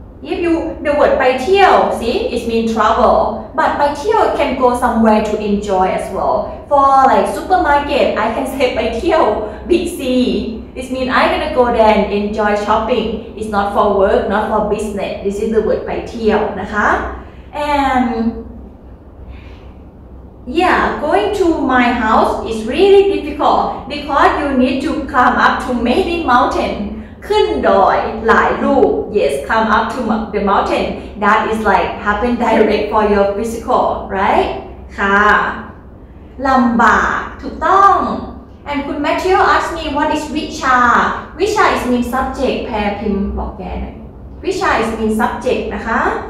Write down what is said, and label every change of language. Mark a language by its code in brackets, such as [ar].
[en] if you the word ไปเที่ยว see it means travel but ไปเที่ยว can go somewhere to enjoy as well for like supermarket I can say ไปเที่ยว Big CThis means I'm gonna go there and enjoy shopping. It's not for work, not for business. This is the word [th] ไปเที่ยวนะคะ [en] And yeah, going to my house is really difficult because you need to climb up to many mountain. [th] ขึ้นดอยหลายลูก [en] yes come up to the mountain that is like happen direct for your physical right [th] ค่ะลำบากถูกต้อง [en] and คุณ Matthew ask me what is vichha vichha is mean subject [th] แพรพิมพ์บอกแกหน่อย [en] vichha is mean subject นะคะ